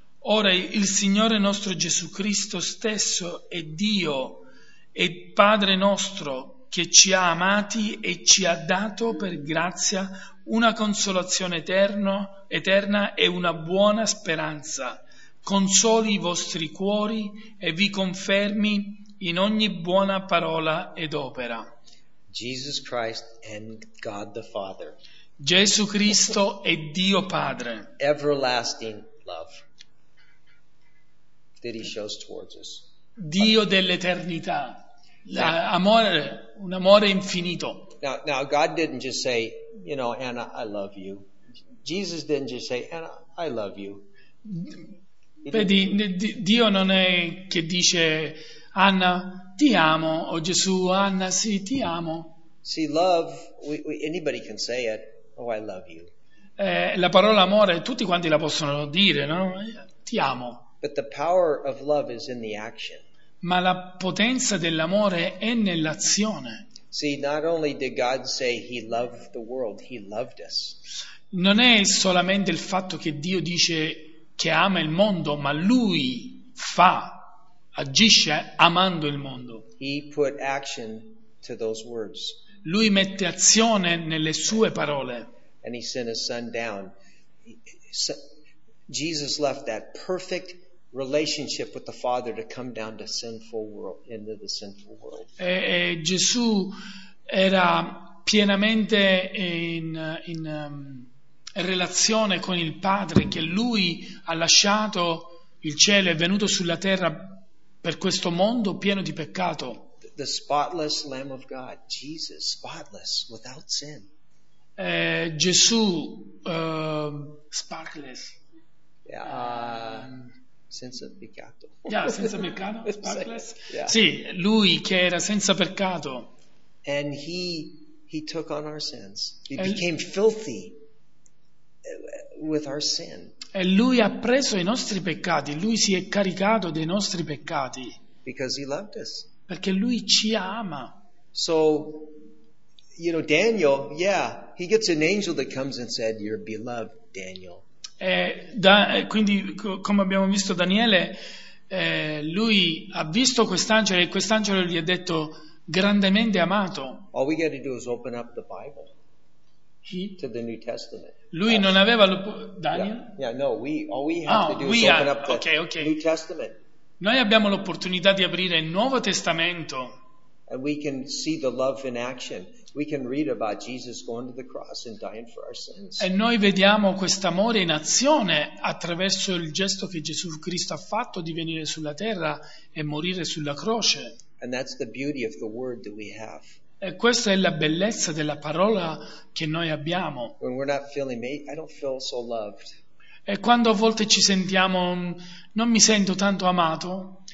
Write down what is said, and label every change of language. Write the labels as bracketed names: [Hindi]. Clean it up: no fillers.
[Italian] Ora il Signore nostro Gesù Cristo stesso è Dio e Padre nostro che ci ha amati e ci ha dato per grazia una consolazione eterna e una buona speranza. Consoli i vostri cuori e vi confermi in ogni buona parola ed opera. [English] Jesus Christ and God the Father. [Italian] Gesù Cristo e Dio Padre. [English] Everlasting love that he shows towards us. [Italian] Dio dell'eternità. L'amore, un amore infinito. [English] Now God didn't just say, you know, Anna, I love you. Jesus didn't just say, Anna, I love you. [Italian] Vedi, Dio non è che dice, Anna, ti amo, o Gesù, Anna, sì, ti amo. [English] See, love, anybody can say it, oh, I love you. [Italian] La parola amore, tutti quanti la possono dire, no? Ti amo. [English] But the power of love is in the action. [Italian] Ma la potenza dell'amore è nell'azione. [English] See, not only did God say he loved the world, he loved us. [Italian] Non è solamente il fatto che Dio dice che ama il mondo, ma lui fa, agisce amando il mondo. [English] He put action to those words. [Italian] Lui mette azione nelle sue parole. [English] And he sent his son down. Jesus left that perfect relationship with the Father to come down to sinful world, into the sinful world. [Italian] E Gesù era pienamente in relazione con il Padre, che lui ha lasciato il cielo, è venuto sulla terra per questo mondo pieno di peccato. [English] The spotless Lamb of God, Jesus, spotless, without sin. [Italian] Gesù, spotless. Yeah. Senza peccato. Yeah, senza peccato, spotless. Yeah. Sì, lui che era senza peccato. [English] And he took on our sins. He became filthy with our sin. [Italian] E lui ha preso i nostri peccati. Lui si è caricato dei nostri peccati. [English] Because he loved us. [Italian] Perché lui ci ama. [English] So, you know, Daniel, yeah, he gets an angel that comes and said, "You're beloved, Daniel." [Italian] Quindi, come abbiamo visto Daniele, lui ha visto quest'angelo e quest'angelo gli ha detto, "Grandemente amato." [English] All we got to do is open up the Bible to the New Testament. [Italian] Lui non aveva Daniel? [English] All we have to do is open up the New Testament. [Italian] Noi abbiamo l'opportunità di aprire il Nuovo Testamento. [English] And we can see the love in action. We can read about Jesus going to the cross and dying for our sins. [Italian] E noi vediamo quest'amore in azione attraverso il gesto che Gesù Cristo ha fatto di venire sulla terra e morire sulla croce. [English] And that's the beauty of the word that we have. [Italian] E questa è la bellezza della parola che noi abbiamo. [English] When we're not feeling made, I don't feel so loved. [Italian] E quando a volte ci sentiamo, non mi sento tanto amato.